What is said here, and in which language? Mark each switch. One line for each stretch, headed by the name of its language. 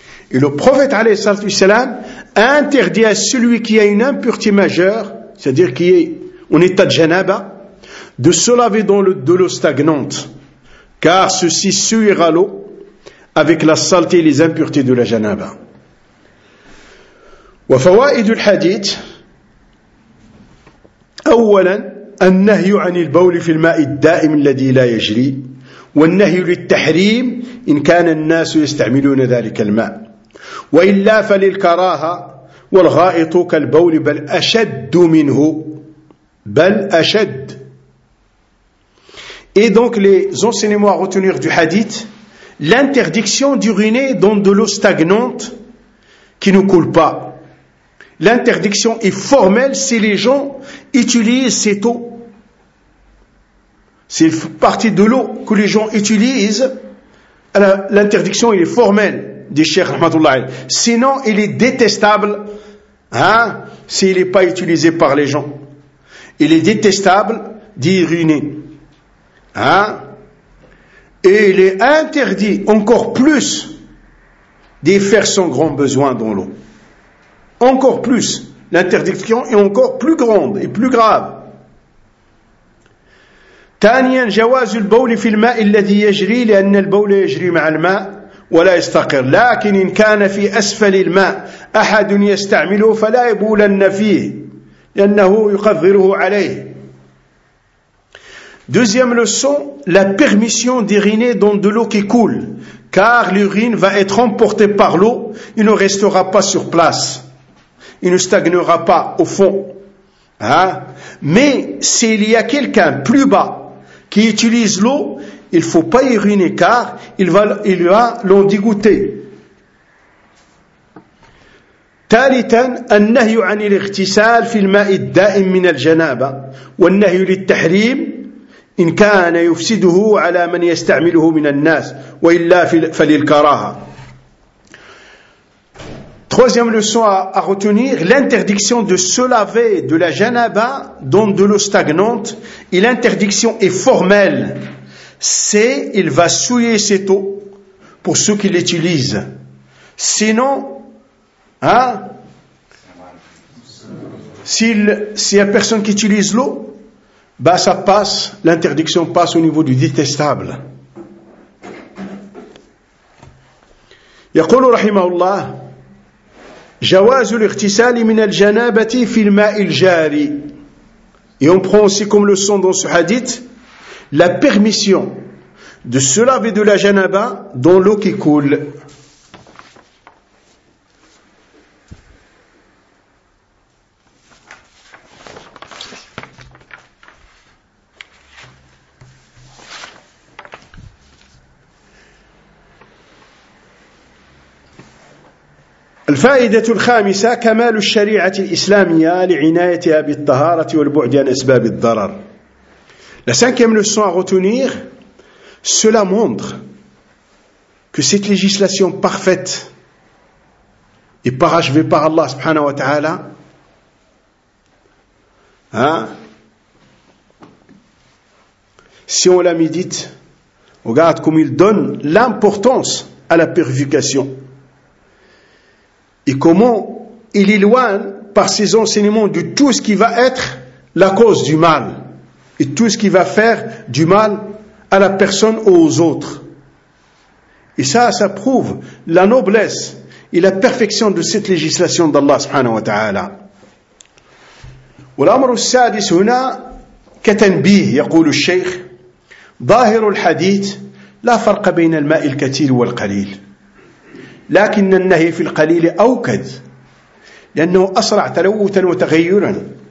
French: Et le prophète, alayhi salam, interdit à celui qui a une impureté majeure, c'est-à-dire qui est en état de janaba, de se laver dans de l'eau stagnante, car ceci suira l'eau avec la saleté et les impuretés de la janaba.
Arabic: Wa fawa'id al-hadith, awwalan, النهي عن البول في الماء الدائم الذي لا يجري والنهي للتحريم إن كان الناس يستعملون ذلك الماء وإلا فللكراهة والغائط كالبول بل أشد منه بل أشد.
French: Et donc les enseignements à retenir du hadith, l'interdiction d'uriner dans de l'eau stagnante qui ne coule pas. L'interdiction est formelle si les gens utilisent cette eau. C'est une partie de l'eau que les gens utilisent. L'interdiction est formelle, dit Cheikh Rahmatullah. Sinon, il est détestable, hein, s'il n'est pas utilisé par les gens. Il est détestable d'y ruiner, hein. Et il est interdit encore plus d'y faire son grand besoin dans l'eau. Encore plus. L'interdiction est encore plus grande et plus grave.
Arabic: ثانيا جواز البول في الماء الذي يجري لأن البول يجري مع الماء ولا يستقر لكن إن كان في أسفل الماء أحد يستعمله فلا يبولن فيه لأنه يقذره عليه.
French: Deuxième leçon, la permission d'uriner dans de l'eau qui coule, car l'urine va être emportée par l'eau, il ne restera pas sur place, il ne stagnera pas au fond, hein? Mais s'il y a quelqu'un plus bas qui utilise l'eau, il ne faut pas y ruiner car il va l'en dégoûter.
Arabic: Thalithan, النهي عن الاغتسال في الماء الدائم من الجنابة والنهي للتحريم إن كان يفسده على من يستعمله من الناس وإلا فللكراهة.
French: Troisième leçon à retenir, l'interdiction de se laver de la janaba dans de l'eau stagnante, et l'interdiction est formelle, c'est il va souiller cette eau pour ceux qui l'utilisent. Sinon, hein, s'il y a personne qui utilise l'eau, bah ça passe, l'interdiction passe au niveau du détestable.
Arabic: Yaqulu rahimahullah, جواز الاغتسال من الجنابة في الماء الجاري.
French: Et on prend aussi comme leçon dans ce hadith la permission de se laver de la janaba dans l'eau qui coule.
Arabic: الفائدة الخامسة كمال الشريعة الإسلامية لعنايتها بالطهارة والبعد عن أسباب الضرر.
French: La cinquième leçon à retenir, cela montre que cette législation parfaite et parachevée par Allah subhanahu wa ta'ala, hein, si on la médite, regarde comme il donne l'importance à la purification. Et comment il éloigne par ses enseignements de tout ce qui va être la cause du mal et tout ce qui va faire du mal à la personne ou aux autres. Et ça prouve la noblesse et la perfection de cette législation d'Allah subhanahu wa ta'ala.
Arabic: والأمر السادس هنا كتنبيه يقول الشيخ ظاهر الحديث لا فرق بين الماء الكثير والقليل لكن النهي في القليل أوكد لأنه أسرع تلوثا وتغيرا